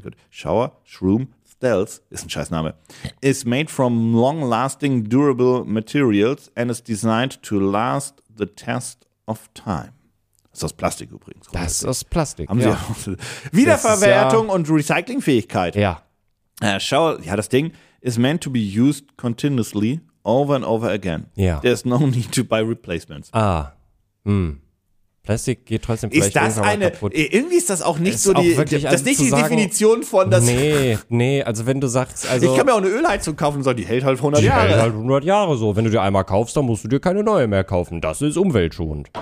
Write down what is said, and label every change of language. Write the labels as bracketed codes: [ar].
[de] Shower Shroom Stealth ist ein scheiß Name. [en] Is made from long-lasting durable materials and is designed to last the test of time. [de] Ist aus Plastik übrigens. Das ist aus Plastik. Haben Sie ja. Wiederverwertung und Recyclingfähigkeit. Ja. Das Ding [en] is meant to be used continuously over and over again. [de] Ja. [en] There's no need to buy replacements. Ah. Hm. [de] Plastik geht trotzdem vielleicht irgendwann mal kaputt. Irgendwie ist das auch nicht so die Definition von das. Nee, also wenn du sagst, also. Ich kann mir auch eine Ölheizung kaufen und sagen, die hält halt 100 die Jahre. Die hält halt 100 Jahre so. Wenn du die einmal kaufst, dann musst du dir keine neue mehr kaufen. Das ist umweltschonend.